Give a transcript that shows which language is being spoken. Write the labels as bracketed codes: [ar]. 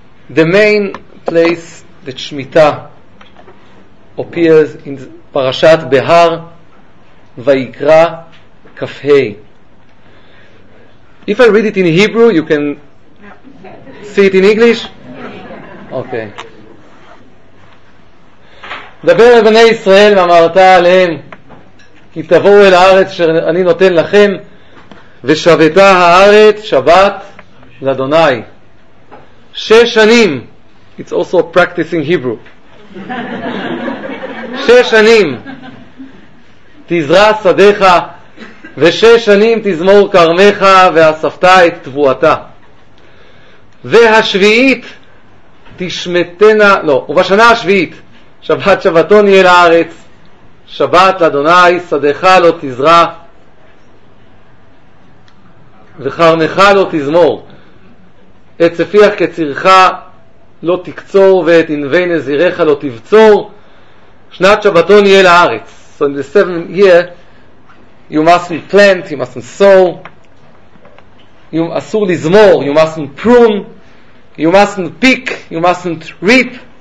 [en] The main place that Shemitah appears in Parashat Behar, Vayikra, Kafhei. If I read it in Hebrew, you can see it in English? Okay. [he] דבר לבני ישראל ואמרת עליהם כי תבואו אל הארץ שאני נותן לכם ושבתה הארץ שבת לאדוני. שש שנים. [en] It's also practicing Hebrew. [he] שש שנים תזרע שדך ושש שנים תזמור כרמך ואספת את תבואתה. והשביעית תשמתנה, לא, ובשנה השביעית שבת שבתון יהיה לארץ, שבת לאדוני, שדך לא תזרע וכרמך לא תזמור, את צפיח כצירך לא תקצור ואת ענבי נזירך לא תבצור, שנת שבתון יהיה לארץ. [en] So in the seventh year you mustn't plant, you mustn't sow, [he] אסור לזמור, [en] you mustn't prune, you mustn't pick, you mustn't reap.